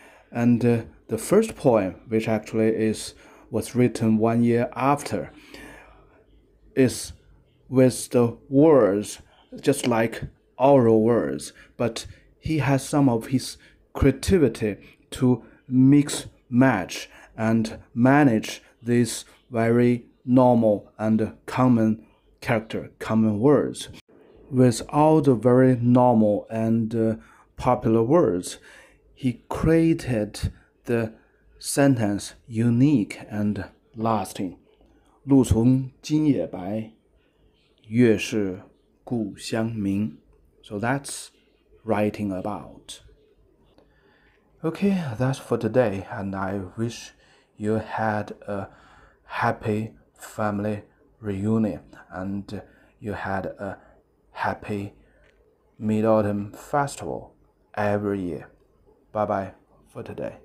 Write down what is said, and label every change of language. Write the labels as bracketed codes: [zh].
[en] And the first poem, which actually was written 1 year after, is with the words, just like oral words, but he has some of his creativity to mix match and manage these very normal and common character, common words. With all the very normal and popular words, he created the sentence unique and lasting. [zh] 路从今夜白，月是故乡明。 [en] So that's writing about. Okay, that's for today, and I wish you had a happy family reunion and you had a happy Mid-Autumn Festival every year. Bye-bye for today.